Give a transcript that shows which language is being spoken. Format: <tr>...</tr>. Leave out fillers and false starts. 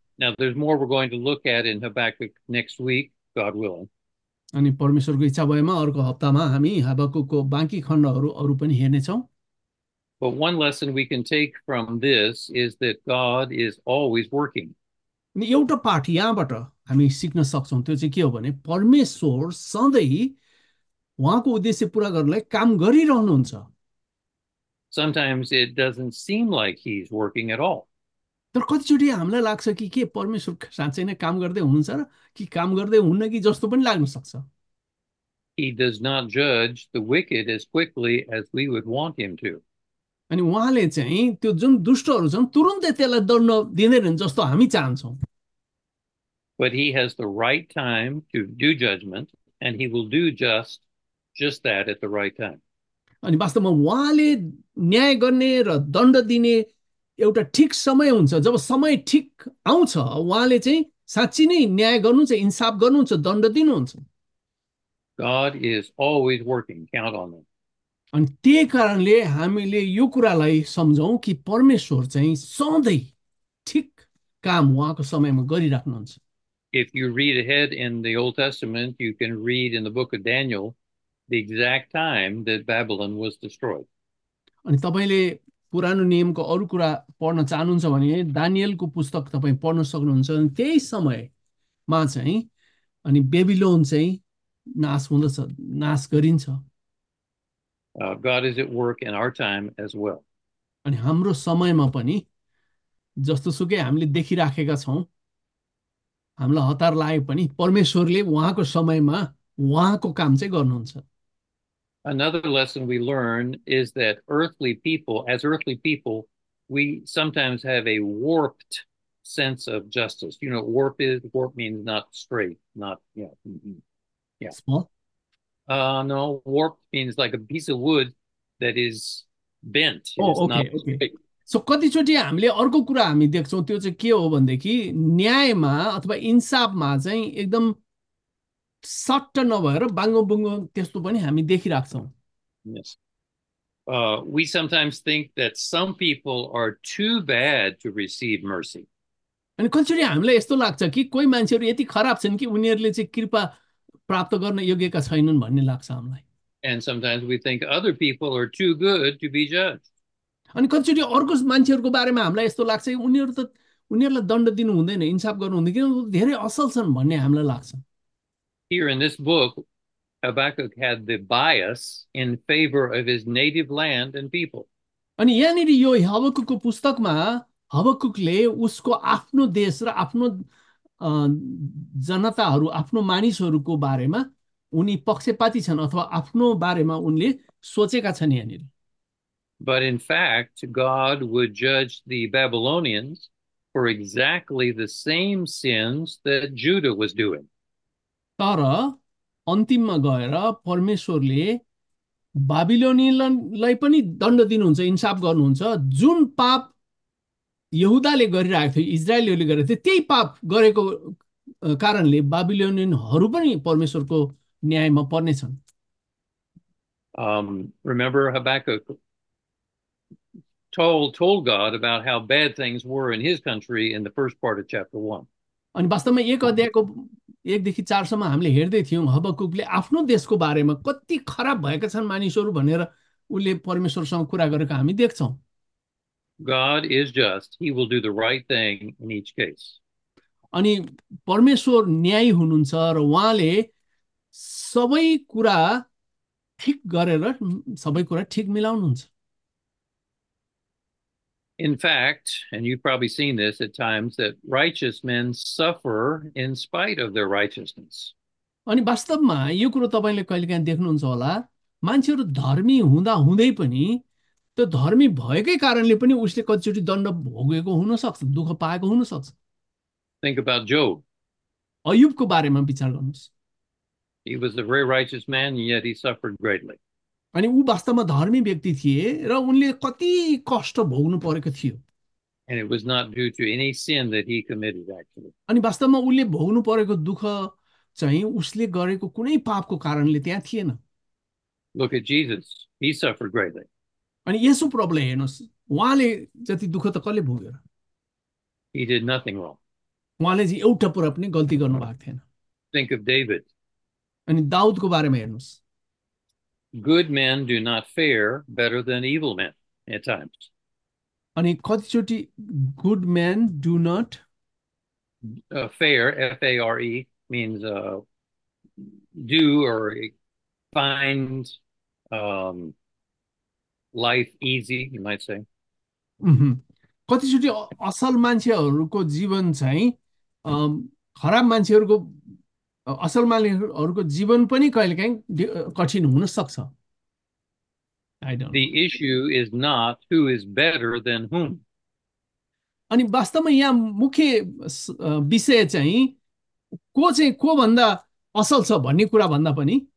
<en>Now there's more we're going to look at in Habakkuk next week, God willing.</en> <ne>अनि परमेश्वरको इच्छा भएमा अर्को हप्तामा हामी हबक्कूकको बाँकी खण्डहरू अरू पनि हेर्नेछौँ।</ne> <en>But one lesson we can take from this is that God is always working.</en> <ne>अनि एउटा पाठ यहाँबाट हामी सिक्न सक्छौँ, त्यो चाहिँ के हो भने परमेश्वर सधैँ उहाँको उद्देश्य पुरा गर्नलाई काम गरिरहनुहुन्छ।</ne> <en>Sometimes it doesn't seem like he's working at all.</en> <ne>तर कतिचोटि हामीलाई लाग्छ कि के परमेश्वर साँच्चै नै काम गर्दै हुनुहुन्छ र कि काम गर्दै हुन्न कि जस्तो पनि लाग्न सक्छ।</ne> <en>He does not judge the wicked as quickly as we would want him to.</en> <ne>अनि उहाँले चाहिँ त्यो जुन दुष्टहरू छन् तुरुन्तै त्यसलाई दण्ड दिँदैनन् जस्तो हामी चाहन्छौँ।</ne> <en>But he has the right time to do judgment, and he will do just that at the right time.</en> <ne>अनि वास्तवमा उहाँले न्याय गर्ने र दण्ड दिने एउटा ठिक समय हुन्छ, जब समय ठिक आउँछ उहाँले चाहिँ साँच्ची नै न्याय गर्नुहुन्छ, इन्साफ गर्नुहुन्छ, दण्ड दिनुहुन्छ।</ne> <en>God is always working, count on him.</en> <ne>अनि त्यही कारणले हामीले यो कुरालाई सम्झौँ कि परमेश्वर चाहिँ सधैँ ठिक काम उहाँको समयमा गरिराख्नुहुन्छ।</ne> <en>If you read ahead in the Old Testament, you can read in the book of Daniel the exact time that Babylon was destroyed.</en> <ne>अनि तपाईँले पुरानो नियमको अरू कुरा पढ्न चाहनुहुन्छ भने दानियलको पुस्तक तपाईँ पढ्न सक्नुहुन्छ। अनि त्यही समयमा चाहिँ अनि बेबिलोन चाहिँ नाश हुँदछ, नाश गरिन्छ।</ne> <en>God is at work in our time as well.</en> <ne>अनि हाम्रो समयमा पनि जस्तो सुकै हामीले देखिराखेका छौँ, हामीलाई हतार लागे पनि परमेश्वरले उहाँको समयमा उहाँको काम चाहिँ गर्नुहुन्छ।</ne> <en>Another lesson we learn is that earthly people, as earthly people, we sometimes have a warped sense of justice. You know, warp is, warp means not straight, not, yeah. Small. No, warp means like a piece of wood that is bent. It Oh, is not straight.</en> <ne>So कतिचोटि हामीले अर्को कुरा हामी देख्छौँ, त्यो चाहिँ के हो भनेदेखि न्यायमा अथवा इन्साफमा चाहिँ एकदम सट्ट नभएर बाङ्गो बुङ्गो त्यस्तो पनि हामी देखिराख्छौँ।</ne> <en>Yes. We sometimes think that some people are too bad to receive mercy.</en> <ne>अनि कतिचोटि हामीलाई यस्तो लाग्छ कि कोही मान्छेहरू यति खराब छन् कि उनीहरूले चाहिँ कृपा प्राप्त गर्न योग्यका छैनन् भन्ने लाग्छ हामीलाई।</ne> <en>And sometimes we think other people are too good to be judged.</en> <ne>अनि कतिचोटि अर्को मान्छेहरूको बारेमा हामीलाई यस्तो लाग्छ कि उनीहरू त उनीहरूलाई दण्ड दिनु हुँदैन, इन्साफ गर्नु हुँदैन, किनभने धेरै असल छन् भन्ने हामीलाई लाग्छ।</ne> <en>Here in this book, Habakkuk had the bias in favor of his native land and people.</en> <ne>अनि यहाँनिर यो हबक्कूकको पुस्तकमा हबक्कूकले उसको आफ्नो देश र आफ्नो जनताहरू आफ्नो मानिसहरूको बारेमा उनी पक्षपाती छन् अथवा आफ्नो बारेमा उनले सोचेका छन् यहाँनिर।</ne> <en>But in fact, God would judge the Babylonians for exactly the same sins that Judah was doing.</en> <ne>तर अन्तिममा गएर परमेश्वरले बाबिलोनीलाई पनि दण्ड दिनुहुन्छ, इन्साफ गर्नुहुन्छ, जुन पाप यहुदाले गरिरहेको थियो, इजरायलीहरूले गरेको थियो, त्यही पाप गरेको कारणले बाबिलोनियनहरू पनि परमेश्वरको न्यायमा पर्नेछन्।</ne> <en>Remember Habakkuk told God about how bad things were in his country in the first part of chapter 1.</en> <ne>अनि वास्तवमा एक अध्यायको एकदेखि चारसम्म हामीले हेर्दै थियौँ हबक्कूकले आफ्नो देशको बारेमा कति खराब भएका छन् मानिसहरू भनेर उसले परमेश्वरसँग कुरा गरेको हामी देख्छौँ।</ne> <en>God is just. He will do the right thing in each case.</en> <ne>अनि परमेश्वर न्यायी हुनुहुन्छ र उहाँले सबै कुरा ठिक गरेर सबै कुरा ठिक मिलाउनुहुन्छ।</ne> <en>In fact, and you've probably seen this at times, that righteous men suffer in spite of their righteousness.</en> <ne>अनि वास्तवमा यो कुरो तपाईँले कहिलेकाहीँ देख्नुहुन्छ होला, मान्छेहरू धर्मी हुँदा हुँदै पनि त्यो धर्मी भएकै कारणले पनि उसले कतिचोटि दण्ड भोगेको हुनसक्छ, दुःख पाएको हुनसक्छ।</ne> <en>Think about Job.</en> <ne>अय्युबको बारेमा विचार गर्नुहोस्।</ne> <en>He was a very righteous man, and yet he suffered greatly.</en> <ne>अनि ऊ वास्तवमा धर्मी व्यक्ति थिए र उनले कति कष्ट भोग्नु परेको थियो।</ne> <en>And it was not due to any sin that he committed, actually.</en> <ne>अनि वास्तवमा उसले भोग्नु परेको दुःख चाहिँ उसले गरेको कुनै पापको कारणले त्यहाँ थिएन।</ne> <en>Look at Jesus. He suffered greatly.</en> <ne>अनि येशु प्रभुले हेर्नुहोस्, उहाँले जति दुःख त कसले भोग्यो र</ne> <en>He did nothing wrong.</en> <ne>उहाँले चाहिँ एउटा कुरा पनि गल्ती गर्नुभएको थिएन।</ne> <en>Think of David.</en> <ne>अनि दाउदको बारेमा हेर्नुहोस्,</ne> <en>Good men do not fare better than evil men at times.</en> <ne>अनि कतिचोटि</ne> <en>Good man do not Fair, F-A-R-E, means do or find life easy, you might say.</en> <ne>कतिचोटि असल मान्छेहरूको जीवन चाहिँ खराब मान्छेहरूको असल मान्छेहरूको जीवन पनि कहिलेकाहीँ कठिन हुन सक्छ।</ne> <en>I don't The issue is not who is better than whom.</en> <ne>अनि वास्तवमा यहाँ मुख्य विषय चाहिँ को चाहिँ को भन्दा असल छ भन्ने कुरा भन्दा पनि</ne>